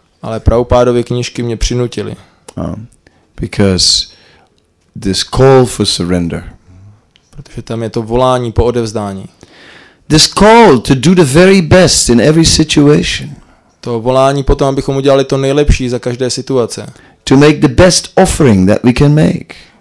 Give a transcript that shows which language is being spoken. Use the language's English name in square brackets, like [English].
[Czech] Ale Prabhupádovy knížky mě přinutily. [English] Because this call for surrender. [Czech] Protože tam je to volání po odevzdání. [English] This call to do the very best in every situation. [Czech] To volání potom, abychom udělali to nejlepší za každé situace. [English] To make the best offering that we can make.